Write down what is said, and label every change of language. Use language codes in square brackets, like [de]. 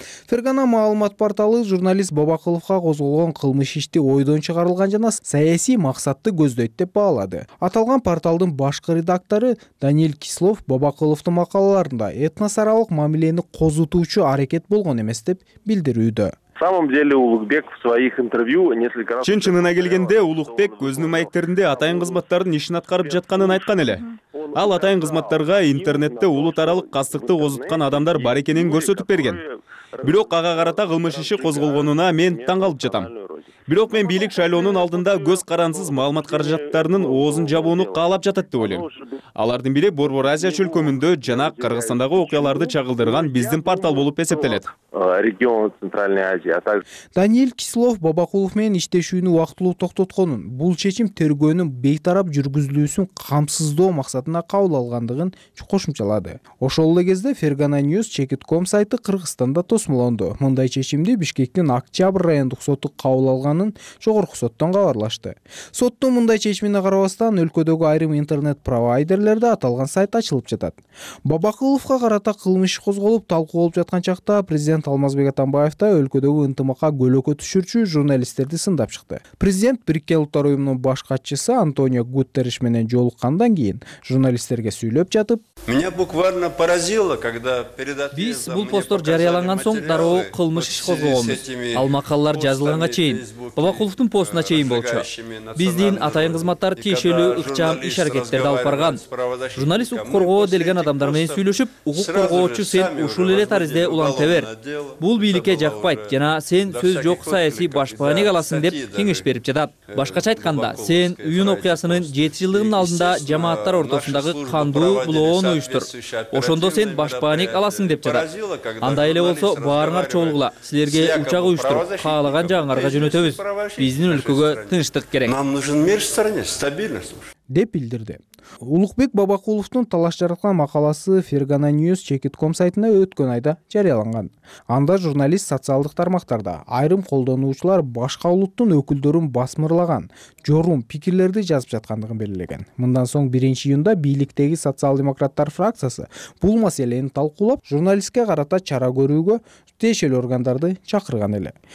[ky] Фергана маалымат порталы журналист Бабакуловго козголгон кылмыш ишти ойдон чыгарылган жана саясий максатты көздөйт деп баалады. Аталган порталдын башкы редактору Даниил Кислов Бабакуловдун макалаларында этносаралык мамилени козутуучу аракет болгон эмес деп билдирүүдө. [ru] На самом деле Улугбек в своих интервью несколько раз... [ky] Чынчынына келгенде Улугбек көзүнүн маектеринде атайын кызматтардын ишин аткарып жатканын айткан эле. Ал атайын кызматтарга интернетте улут аралык кастыкты козуткан адамдар бар экенин көрсөтүп берген. Бирок ага карата кылмыш иши козголгонуна мен таң калып жатам. Бирок мен бийлик шайлоонун алдында көз карансыз маалымат каражаттарынын оозун жабууну каалап жатат деп ойлойм. Алардын бири Борбор Азия чөлкөмүндө жана Кыргызстандагы окуяларды чагылдырган биздин портал болуп эсептелет. [ru] Регион Центральной Азии. [ky] Даниил Кислов Бабакулов менен иштешүүнү убактылуу токтотконун, бул чечим тергөөнүн бейтарап жүргүзүлүүсүн камсыздоо максатына кабыл алгандыгын кошумчалады. Ошол эле кезде Fergana News Чекит.com сайты Кыргызстанда тосмолонду. Мындай чечимди Бишкектин Октябрь райондук соту кабыл алганын жогорку соттон кабарлашты. Соттун мындай чечимине карабастан өлкөдөгү айрым интернет провайдерлерде аталган сайт ачылып жатат. Бабакуловго карата кылмыш козголуп талкуу болуп жаткан чакта президент Алмазбек Атамбаев да өлкөдөгү ынтымакка көлөкө түшүрчү журналисттерди сындап чыкты. Президент Бириккен Улуттар Уюмунун баш катчысы Антонио Гутерриш менен жолуккандан кийин журналисттерге сүйлөп жатып: [ru] Меня буквально поразило, когда перед ответом [ky] биз бул постор жарыяланган соң дароо кылмыш иш козголгонбуз. Ал макалалар жазылганга чейин, Бабакуловдун постуна чейин болчу. Биздин атайын кызматтар тиешелүү ыкчам иш аракеттерди алып барган. Журналист укук коргоо делген адамдар менен сүйлөшүп, укук коргоочу сен ушул эле тарзде улантып бер. Бул бийликке жакпайт жана сен сөз жок саясий башпаанек аласың деп кеңеш берип жатат. Башкача айтканда, сен уюн окуясынын 7 жылдыгынын алдында жамааттар ортосундагы кандуу блоон уюштур. Ошондо сен башпаанек аласың деп жатат. Андай эле болсо, баарыңар чогулгула. Силерге учак уюштуруп, каалаган жагыңарга жөнөтөбүз. Биздин өлкөгө тынчтык керек. [ru] Нам нужен мир в стране, стабильность. [ky] Деп билдирди. Улугбек Бабакуловдун талаш жараткан макаласы Fergana News Чекит.com сайтына өткөн айда жарыяланган. Анда журналист социалдык тармактарда айрым колдонуучулар башка улуттун өкүлдөрүн басмырлаган жорум пикирлерди жазып жаткандыгын белгилеген. Мындан соң 1 июнда бийликтеги социал-демократтар фракциясы бул маселени талкуулап, журналистке карата чара көрүүгө тиешелүү органдарды чакырган эле.